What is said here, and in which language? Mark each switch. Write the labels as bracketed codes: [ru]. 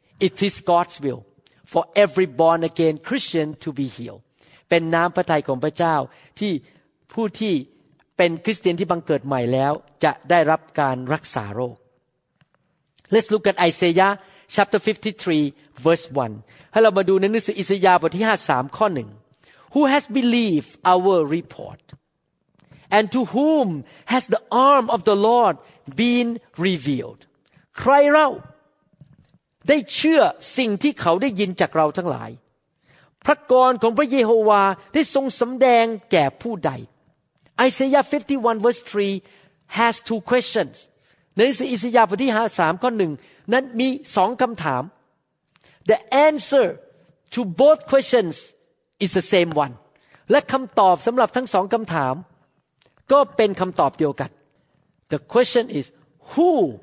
[en] It is God's will for every born again Christian to be healed. [th] เป็นน้ำพระทัยของพระเจ้าที่ผู้ที่เป็นคริสเตียนที่บังเกิดใหม่แล้วจะได้รับการรักษาโรค [en] Let's look at Isaiah. Chapter 53, verse 1. [th] ให้เรามาดูในหนังสืออิสยาห์บทที่53ข้อ1. [en] Who has believed our report? And to whom has the arm of the Lord been revealed? [th] ใครเราได้เชื่อสิ่งที่เขาได้ยินจากเราทั้งหลาย? พระกรของพระเยโฮวาได้ทรงสำแดงแก่ผู้ใด? [en] Isaiah 51, verse 3 has two questions. [th] ในอิสยาห์บทที่53ข้อ1นั้นมี2คำถาม [en] The answer to both questions is the same one [th] และคำตอบสำหรับทั้ง2คำถามก็เป็นคำตอบเดียวกัน [en] The question is who